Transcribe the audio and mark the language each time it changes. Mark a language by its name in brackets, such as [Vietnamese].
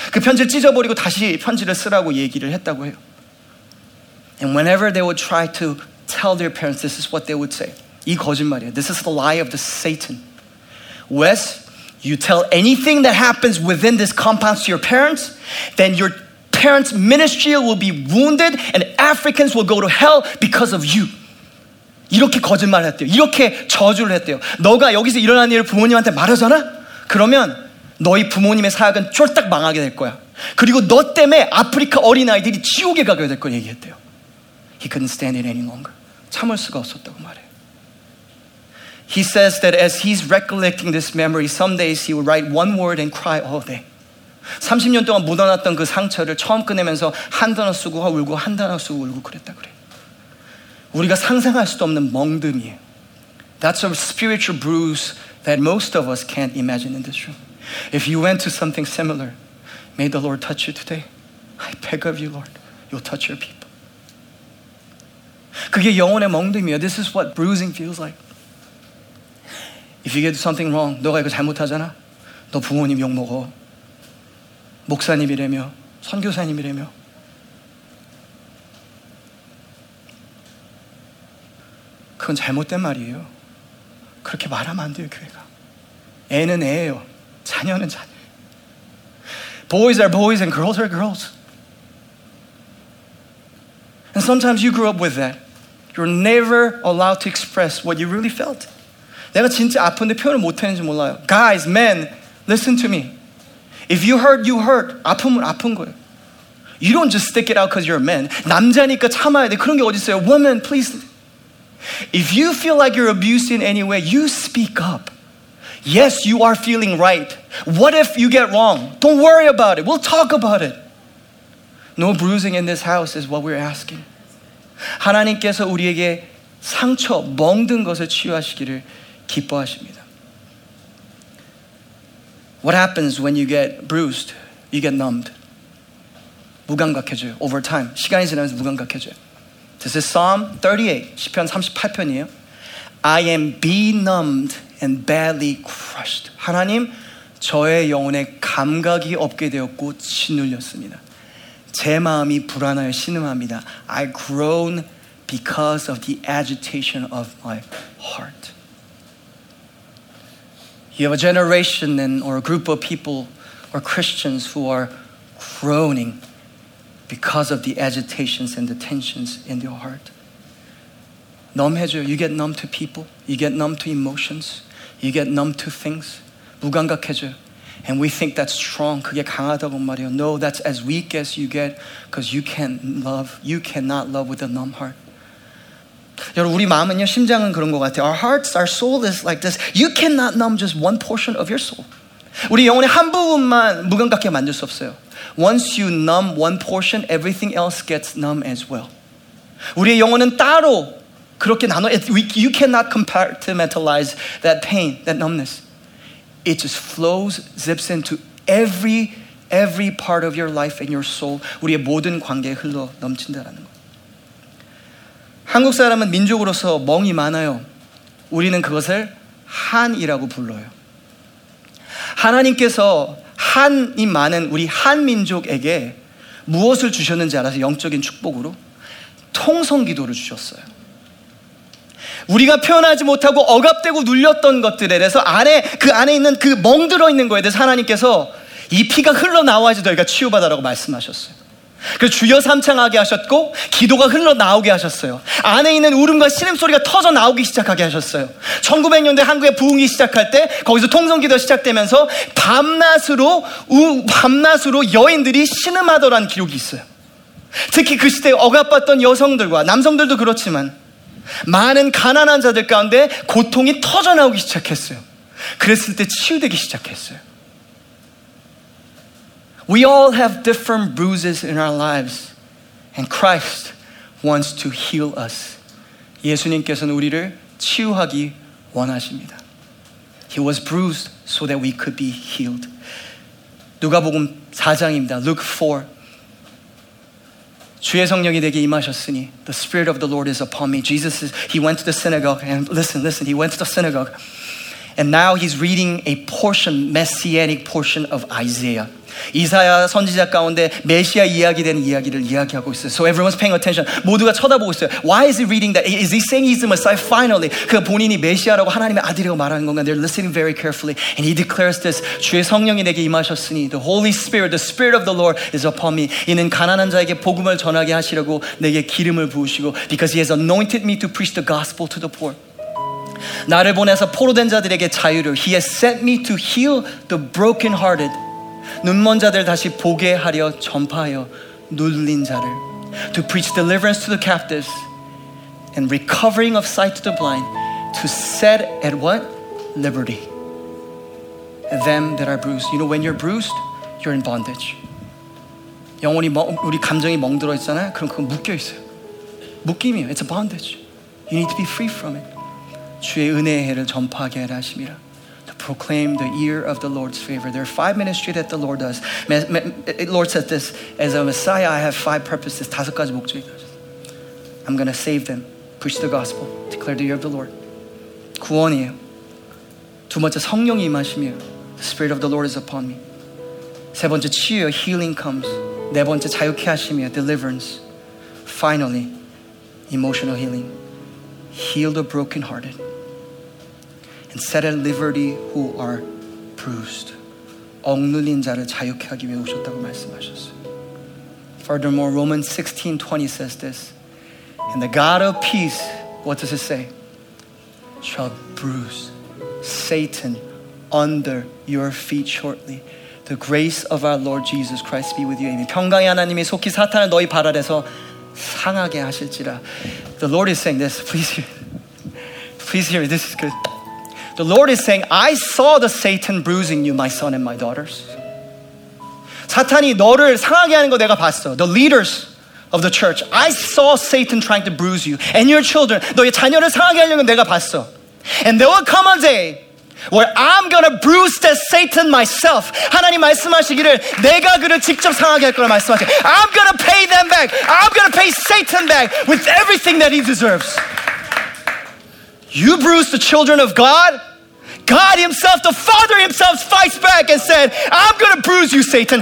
[Korean] 그 편지를 찢어버리고 다시 편지를 쓰라고 얘기를 했다고 해요. [English] And whenever they would try to tell their parents, this is what they would say. [Korean] 이 거짓말이야. [English] This is the lie of the Satan. Wes, you tell anything that happens within this compound to your parents, then your parents' ministry will be wounded and Africans will go to hell because of you. [Korean] 이렇게 거짓말을 했대요. 이렇게 저주를 했대요. 너가 여기서 일어난 일을 부모님한테 말하잖아? 그러면 너희 부모님의 사역은 쫄딱 망하게 될 거야. 그리고 너 때문에 아프리카 어린아이들이 지옥에 가게 될 거야 얘기했대요. [English] He couldn't stand it any longer. [Korean] 참을 수가 없었다고 말해요. [English] He says that as he's recollecting this memory, some days he would write one word and cry all day. [Korean] 30년 동안 묻어놨던 그 상처를 처음 꺼내면서 한 단어 쓰고 울고 한 단어 쓰고 울고 그랬다 그래. 우리가 상상할 수도 없는 멍듦이에요. [English] That's a spiritual bruise that most of us can't imagine in this room. If you went to something similar, may the Lord touch you today. I beg of you, Lord, you'll touch your people. [Korean] 그게 영혼의 멍듦이에요. [English] This is what bruising feels like. If you get something wrong, [Korean] 너가 이거 잘못하잖아? 너 부모님 욕먹어. 목사님이라며, 선교사님이라며. 그건 잘못된 말이에요. 그렇게 말하면 안 돼요, 교회가. 애는 애예요. 자녀는 자녀. [English] Boys are boys and girls are girls. And sometimes you grew up with that. You're never allowed to express what you really felt. [Korean] 내가 진짜 아픈데 표현을 못하는지 몰라요. [English] Guys, men, listen to me. If you hurt, you hurt. [Korean] 아픔은 아픈 거예요. [English] You don't just stick it out because you're a man. [Korean] 남자니까 참아야 돼. 그런 게 어디 있어요? [English] Woman, please. If you feel like you're abused in any way, you speak up. Yes, you are feeling right. What if you get wrong? Don't worry about it. We'll talk about it. No bruising in this house is what we're asking. [Korean] 하나님께서 우리에게 상처, 멍든 것을 치유하시기를 기뻐하십니다. [English] What happens when you get bruised? You get numbed. [Korean] 무감각해져요. [English] Over time. [Korean] 시간이 지나면서 무감각해져요. [English] This is Psalm 38, [Korean] 시편 38편이에요. [English] I am benumbed and badly crushed. [Korean] 하나님, 저의 영혼에 감각이 없게 되었고 짓눌렸습니다. 제 마음이 불안하여 신음합니다. [English] I groan because of the agitation of my heart. You have a generation and or a group of people or Christians who are groaning because of the agitations and the tensions in your heart. [Korean] 넘해져요. [English] You get numb to people. You get numb to emotions. You get numb to things. [Korean] 무감각해져요. [English] And we think that's strong. [Korean] 그게 강하다고 말해요. [English] No, that's as weak as you get because you can't love. You cannot love with a numb heart. [Korean] 여러분, 우리 마음은요, 심장은 그런 것 같아요. [English] Our hearts, our soul is like this. You cannot numb just one portion of your soul. [Korean] 우리 영혼의 한 부분만 무감각해 만들 수 없어요. [English] Once you numb one portion, everything else gets numb as well. [Korean] 우리의 영혼은 따로 그렇게 나눠, [English] you cannot compartmentalize that pain, that numbness. It just flows, zips into every part of your life and your soul. [Korean] 우리의 모든 관계에 흘러 넘친다라는 거. 한국 사람은 민족으로서 멍이 많아요. 우리는 그것을 한이라고 불러요. 하나님께서 한이 많은 우리 한민족에게 무엇을 주셨는지 알아서 영적인 축복으로 통성기도를 주셨어요. 우리가 표현하지 못하고 억압되고 눌렸던 것들에 대해서 안에 그 안에 있는 그 멍들어 있는 거에 대해서 하나님께서 이 피가 흘러나와야지 너희가 치유받아라고 말씀하셨어요. 그래서 주여 삼창하게 하셨고 기도가 흘러나오게 하셨어요. 안에 있는 울음과 신음 소리가 터져 나오기 시작하게 하셨어요. 1900년대 한국의 부흥이 시작할 때 거기서 통성기도 시작되면서 밤낮으로 여인들이 신음하더라는 기록이 있어요. 특히 그 시대에 억압받던 여성들과 남성들도 그렇지만 많은 가난한 자들 가운데 고통이 터져 나오기 시작했어요. 그랬을 때 치유되기 시작했어요. [English] We all have different bruises in our lives and Christ wants to heal us. [Korean] 예수님께서는 우리를 치유하기 원하십니다. [English] He was bruised so that we could be healed. [Korean] 누가복음 4장입니다. [English] Luke 4. [Korean] 주의 성령이 내게 임하셨으니 [English] The spirit of the Lord is upon me. Jesus is he went to the synagogue and listen he went to the synagogue and now he's reading a portion messianic portion of Isaiah. [Korean] 이사야 선지자 가운데 메시아 이야기되는 이야기를 이야기하고 있어요. [English] So everyone's paying attention. [Korean] 모두가 쳐다보고 있어요. [English] Why is he reading that? Is he saying he's the Messiah? Finally, [Korean] 그 본인이 메시아라고 하나님의 아들이라고 말하는 건가? [English] They're listening very carefully. And he declares this, [Korean] 주의 성령이 내게 임하셨으니 [English] The Holy Spirit, the Spirit of the Lord is upon me. [Korean] 이는 가난한 자에게 복음을 전하게 하시려고 내게 기름을 부으시고 [English] Because he has anointed me to preach the gospel to the poor. [Korean] 나를 보내서 포로된 자들에게 자유를 [English] He has sent me to heal the brokenhearted. [Korean] 눈먼 자들 다시 보게 하려 전파하여 눌린 자를 [English] To preach deliverance to the captives and recovering of sight to the blind to set at what? Liberty. And them that are bruised. You know, when you're bruised, you're in bondage. [Korean] 영혼이 우리 감정이 멍들어 있잖아요. 그럼 그건 묶여 있어요. 묶임이에요. [English] It's a bondage. You need to be free from it. [Korean] 주의 은혜의 해를 전파하게 하라 하심이라. [English] Proclaim the year of the Lord's favor. There are five ministries that the Lord does. Lord said this, as a Messiah, I have five purposes. [Korean] 다섯 가지 목적이 [English] I'm going to save them. Preach the gospel. Declare the year of the Lord. [Korean] 구원이에요. 두 번째, 성령이 임하시며 [English] The spirit of the Lord is upon me. [Korean] 세 번째, 치유, [English] healing comes. [Korean] 네 번째, 자유케 하시며 [English] deliverance. Finally, emotional healing. Heal the brokenhearted. And set at liberty who are bruised. [Korean] 억눌린 자를 자유케 하기 위해 오셨다고 말씀하셨어요. [English] Furthermore, Romans 16:20 says this. And the God of peace, what does it say? Shall bruise Satan under your feet shortly. The grace of our Lord Jesus Christ be with you. Amen. [Korean] 평강의 하나님이 속히 사탄을 너희 발 아래서 상하게 하실지라. [English] The Lord is saying this. Please hear me. This is good. The Lord is saying, I saw the Satan bruising you, my son and my daughters. [Korean] 사탄이 너를 상하게 하는 거 내가 봤어. [English] The leaders, of the church. I saw Satan trying to bruise you and your children. [Korean] 너의 자녀를 상하게 하려는 내가 봤어. [English] And there will come a day where I'm gonna bruise that Satan myself. [Korean] 하나님 말씀하시기를 내가 그를 직접 상하게 할 거라 말씀하세요. [English] I'm gonna pay them back. I'm gonna pay Satan back with everything that he deserves. You bruise the children of God, God himself, the Father himself fights back and said, I'm gonna bruise you, Satan.